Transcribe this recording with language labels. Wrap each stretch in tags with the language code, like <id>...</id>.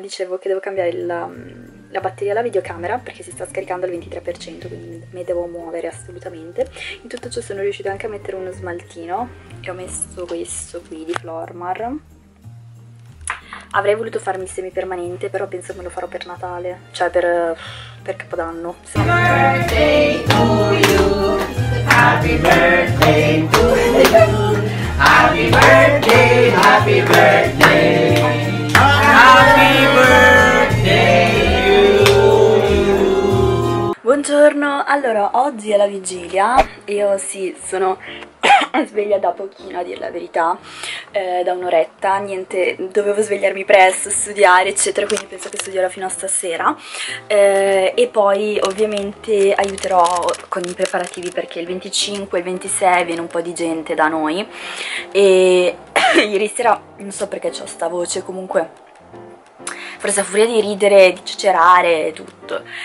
<it>Dicevo che devo cambiare la batteria alla videocamera, perché si sta scaricando al 23%, quindi mi devo muovere assolutamente. In tutto ciò sono riuscita anche a mettere uno smaltino, e ho messo questo qui di Flormar. Avrei voluto farmi il semi permanente, però penso che me lo farò per Natale, cioè per Capodanno.</it> <en>Birthday to you, happy birthday to you, happy birthday, happy birthday, happy birthday to you.</en> <it>Buongiorno, allora oggi è la vigilia, io sì, sono sveglia da pochino a dire la verità, da un'oretta, niente, dovevo svegliarmi presto, studiare eccetera, quindi penso che studierò fino a stasera, e poi ovviamente aiuterò con i preparativi, perché il 25 e il 26 viene un po' di gente da noi, e ieri sera non so perché c'ho sta voce, comunque forse a furia di ridere, di cicerare e tutto.</it>